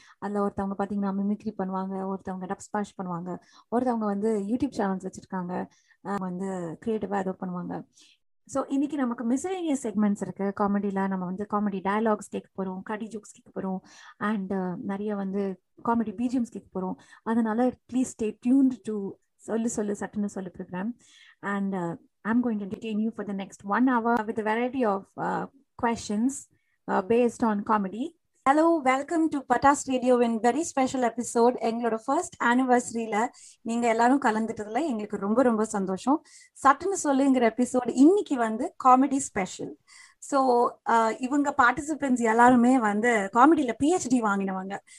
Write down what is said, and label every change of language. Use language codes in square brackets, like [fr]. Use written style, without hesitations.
[ta] அதில் ஒருத்தவங்க பார்த்தீங்கன்னா மிமிக்ரி பண்ணுவாங்க, ஒருத்தவங்க டப் ஸ்பாஷ் பண்ணுவாங்க, ஒருத்தவங்க வந்து யூடியூப் சேனல்ஸ் வச்சுருக்காங்க, வந்து க்ரியேட்டிவாக ஏதோ பண்ணுவாங்க. ஸோ இன்றைக்கி நமக்கு மிஸ்லேனியஸ் செக்மெண்ட்ஸ் இருக்குது காமெடியில். நம்ம வந்து காமெடி டயலாக்ஸ் கேட்க போகிறோம், கடி ஜோக்ஸ் கேட்க போகிறோம், அண்ட் நிறைய வந்து காமெடி பீஜியம்ஸ் கேட்க போகிறோம். அதனால் [en] please stay tuned to [ta] சொல்லு சொல்லு சட்டுன்னு சொல்லு program. [en] And I'm going to entertain you for the next 1 hour with a variety of questions based on comedy. Hello, welcome to Patas Radio in very special episode. [ta] எங்களோட first anniversaryல நீங்க எல்லாரும் கலந்துட்டதுல எங்களுக்கு ரொம்ப ரொம்ப சந்தோஷம். சட்டுன்னு சொல்லுங்கிற எபிசோட் இன்னைக்கு வந்து காமெடி ஸ்பெஷல். ஸோ இவங்க பார்ட்டிசிபென்ட்ஸ் எல்லாருமே வந்து காமெடியில் பிஹெச்டி வாங்கினவங்க.